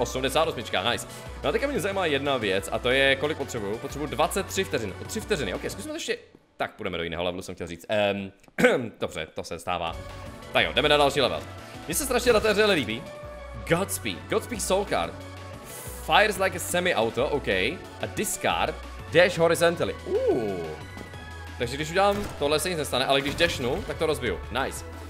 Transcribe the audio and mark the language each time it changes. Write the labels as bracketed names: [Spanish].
[Czech] 88, nice. No a teďka mě zajímá jedna věc a to je, kolik potřebuju. Potřebuju 23 vteřin. 3 vteřiny, OK, zkusíme to ještě. Tak, půjdeme do jiného levelu, jsem chtěl říct. Dobře, to se stává. Tak jo, jdeme na další level. Mně se strašně na té hře líbí. Godspeed. Godspeed Soul Card. [English] fires like a semi-auto, OK. A discard, dash horizontally. [Czech] Takže když udělám tohle, se nic nestane, ale když dashnu, tak to rozbiju. Nice.